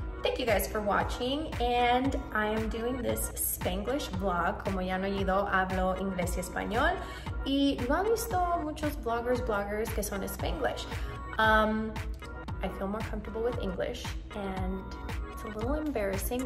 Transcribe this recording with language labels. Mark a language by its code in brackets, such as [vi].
[en] Thank you guys for watching, and I am doing this Spanglish vlog. [es] Como ya han oído, hablo inglés y español, y no he visto muchos bloggers que son Spanglish. [en] I feel more comfortable with English, and it's a little embarrassing.